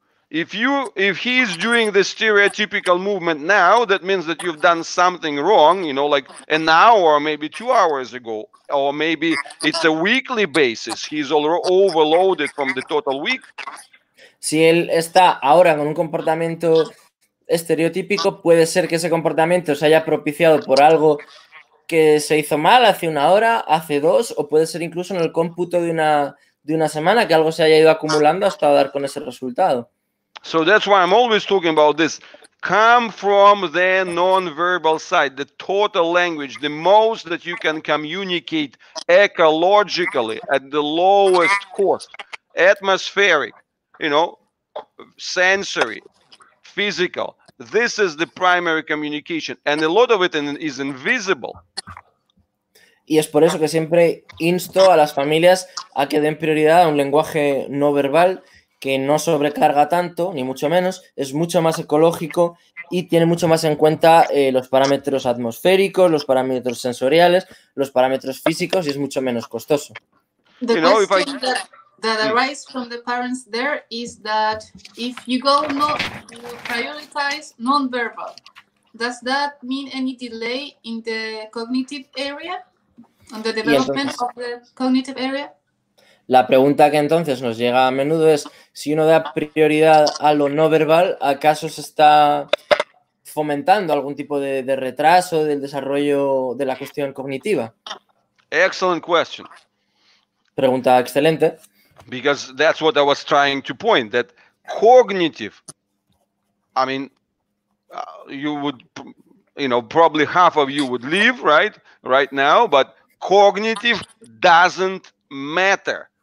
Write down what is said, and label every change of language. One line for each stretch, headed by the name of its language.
English: If he is doing the stereotypical movement now, that means that you've done something wrong, you know, like an hour or maybe 2 hours ago, or maybe it's a weekly basis. He's overloaded from the total week.
Spanish: Si él está ahora con un comportamiento estereotípico, puede ser que ese comportamiento se haya propiciado por algo que se hizo mal hace una hora, hace dos, o puede ser incluso en el cómputo de una semana que algo se haya ido acumulando hasta dar con ese resultado.
English: So that's why I'm always talking about this. Come from the non-verbal side, the total language, the most that you can communicate ecologically at the lowest cost, atmospheric, you know, sensory, physical, This is the primary communication, and a lot of it is invisible.
Spanish: Y es por eso que siempre insto a las familias a que den prioridad a un lenguaje no verbal que no sobrecarga tanto, ni mucho menos, es mucho más ecológico y tiene mucho más en cuenta los parámetros atmosféricos, los parámetros sensoriales, los parámetros físicos y es mucho menos costoso.
English: The question that arises from the parents there is that if you go no, you prioritize non-verbal, does that mean any delay in the cognitive area? On the development of the cognitive area?
Spanish: La pregunta que entonces nos llega a menudo es si uno da prioridad a lo no verbal, ¿acaso se está fomentando algún tipo de retraso del desarrollo de la cuestión cognitiva?
English: Excellent question.
Spanish: Pregunta excelente.
English: Because that's what I was trying to point, that cognitive, I mean, you would, you know, probably half of you would leave, right? Right now, but cognitive doesn't matter.